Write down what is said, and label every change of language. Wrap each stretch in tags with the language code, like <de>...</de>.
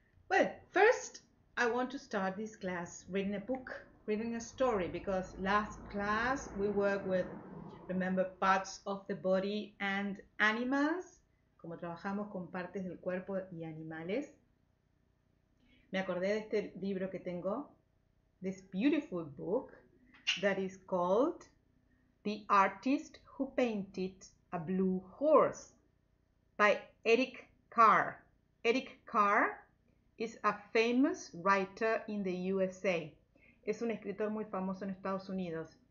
<en>Well, first, I want to start this class reading a book, reading a story, because last class we worked with, remember, parts of the body and animals.</en> <es>Como trabajamos con partes del cuerpo y animales. Me acordé de este libro que tengo.</es> <en>This beautiful book that is called The Artist Who Painted a Blue Horse by Eric Carr. Eric Carr is a famous writer in the USA.</en> <es>Es un escritor muy famoso en Estados Unidos.</es>